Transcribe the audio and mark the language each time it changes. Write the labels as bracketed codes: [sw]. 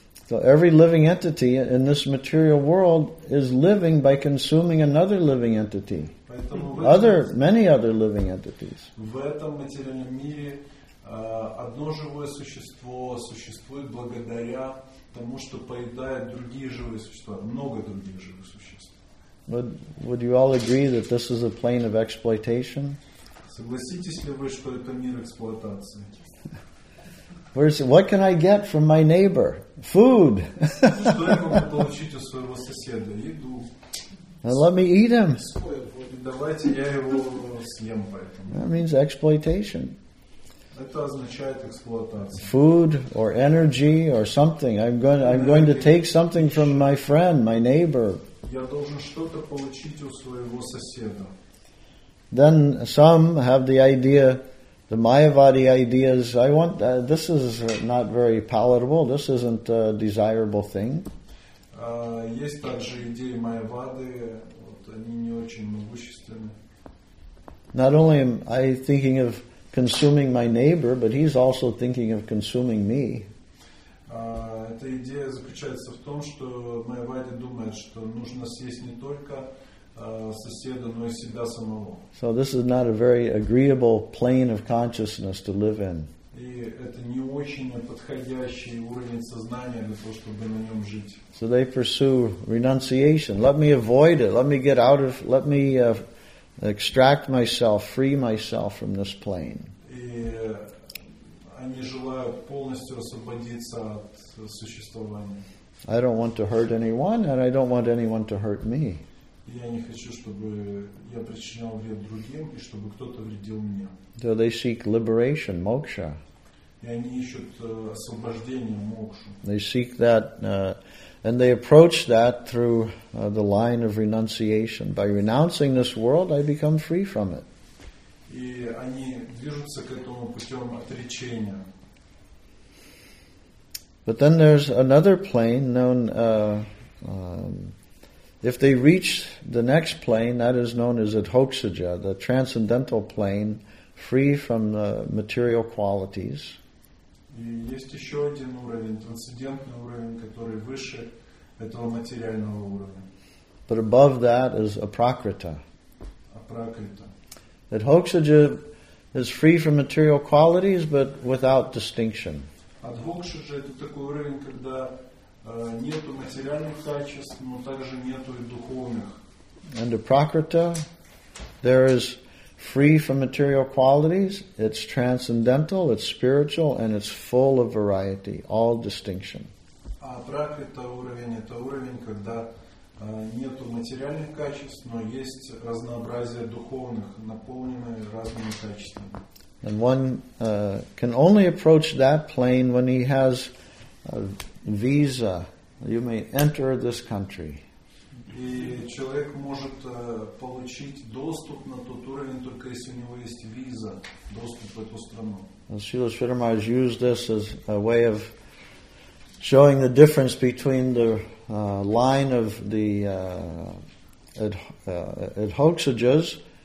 [en] So every living entity in this material world is living by consuming another living entity. Many other living entities. [ru] В этом материальном мире одно живое существо существует благодаря тому, что поедает другие живые существа, много других живых существ. [en] Would you all agree that this is a plane of exploitation? [ru] Согласитесь ли вы, что это мир эксплуатации? [en] What can I get from my neighbor? Food. [ru] Что я могу получить у своего соседа? Еду. [en] And let me eat him. [ru] Давайте я его съем. [en] That means exploitation. [ru] Это означает эксплуатация. [en] Food or energy or something. I'm going to take something from my friend, my neighbor. [ru] Я должен что-то получить у своего соседа. [en] Then some have the idea, the Mayavadi ideas, I want, this is not very palatable, this isn't a desirable thing. [ru] Есть также идеи Майявады, вот они не очень могущественны. [en] Not only am I thinking of consuming my neighbor, but he's also thinking of consuming me. [ru] Эта идея заключается в том, что Майявади думает, что нужно съесть не только соседа, но и себя самого. [en] So this is not a very agreeable plane of consciousness to live in. [ru] И это не очень подходящий уровень сознания для того, чтобы на нем жить. [en] So they pursue renunciation. Let me avoid it. Let me get out of. Let me extract myself, free myself from this plane. [ru] И они желают полностью освободиться от существования. [en] I don't want to hurt anyone, and I don't want anyone to hurt me. [ru] Я не хочу, чтобы я причинял вред другим и чтобы кто-то вредил мне. [en] So they seek liberation, moksha. [ru] И они ищут освобождение, мокшу. [en] They seek that, and they approach that through the line of renunciation. By renouncing this world, I become free from it. [ru] И они движутся к этому путем отречения. [en] But then there's another plane known. If they reach the next plane, that is known as adhoksaja, the transcendental plane, free from the material qualities. [ru] Есть еще один уровень, трансцендентный уровень, который выше этого материального уровня. [en] But above that is aprakrita. Aprakrita. Adhoksaja is free from material qualities, but without distinction. [ru] Adhoksaja – это такой уровень, когда нету материальных качеств, но также нету и духовных. [en] And aprakrita, there is free from material qualities, it's transcendental, it's spiritual, and it's full of variety, all distinction. [ru] А апракрита уровень – это уровень, когда нету материальных качеств, но есть разнообразие духовных, наполненные разными качествами. [en] And one can only approach that plane when he has a visa. You may enter this country. [ru] И человек может получить доступ на тот уровень только если у него есть виза, доступ в эту страну. [en] And Srila Sridhar Maharaj used this as a way of showing the difference between the line of the adhoksajas.